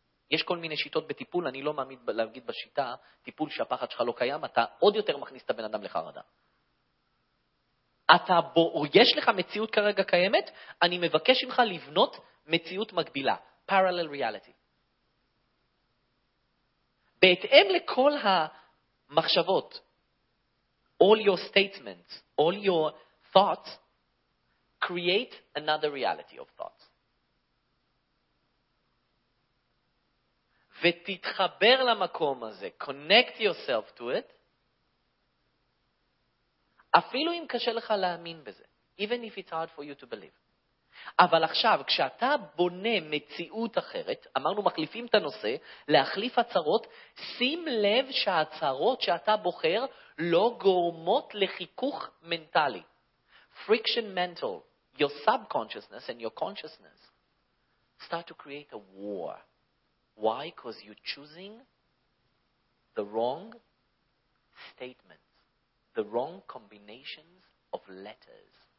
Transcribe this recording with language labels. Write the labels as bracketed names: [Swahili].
[Hebrew] יש כל מיני שיטות בטיפול, אני לא מעמיד להגיד בשיטה, טיפול שהפחד שלך לא קיים, אתה עוד יותר מכניס את הבן אדם לחרדה. אתה בו, או יש לך מציאות כרגע קיימת, אני מבקש ממך לבנות מציאות מקבילה. [English] Parallel reality. [Hebrew] בהתאם לכל המחשבות, [English] all your statements, all your thoughts, create another reality of thoughts. [Hebrew] ותתחבר למקום הזה, [English] connect yourself to it, [Hebrew] אפילו אם קשה לך להאמין בזה, [English] even if it's hard for you to believe. [Hebrew] אבל עכשיו, כשאתה בונה מציאות אחרת, אמרנו מחליפים את הנושא, להחליף הצהרות, שים לב שההצהרות שאתה בוחר לא גורמות לחיכוך מנטלי. [English] Friction mental, your subconsciousness and your consciousness start to create a war. Why? Because you're choosing the wrong statements, the wrong combinations of letters.